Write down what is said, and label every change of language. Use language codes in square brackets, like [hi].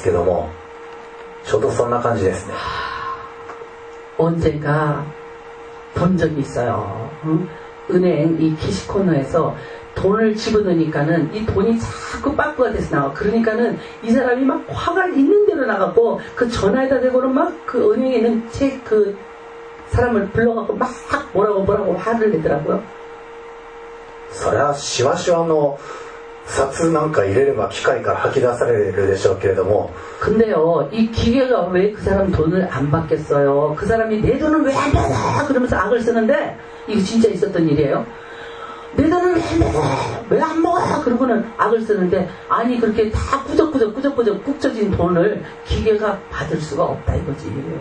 [ja] 銀行のキャッシュコーナーでなかなか自分のお札を入れても機械から吐き出され、入れても機械から吐き出され、それでついにそこの店員を呼んで、なんだよ俺の金は受け入れられないかよな、そんな風に怒ってるものを見たことがあったんですけども、ちょうどそんな感じですね。 [ko] 언젠가 본 적 있어요. 은행 이 캐시 코너에서 돈을 집어넣으니까는 이 돈이 자꾸 빠꾸가 돼서 나와. 그러니까는 이 사람이 막 화가 있는 대로 나갔고 그 전화에다 대고는 막 그 은행에 있는 책 그 사람을 불러갖고 막 뭐라고 뭐라고 화를 내더라고요. 그래야 [ja] シワシワの札なんか入れれば機械から吐き出されるでしょうけれども. [ko] 근데요 이 기계가 왜 그 사람 돈을 안 받겠어요? 그 사람이 내 돈을 왜 안 받아? 그러면서 악을 쓰는데 이거 진짜 있었던 일이에요. 내 돈을 왜 안 먹어? 그러고는 악을 쓰는데 아니 그렇게 다 꾸적꾸적 꾹쳐진 돈을 기계가 받을 수가 없다 이거지.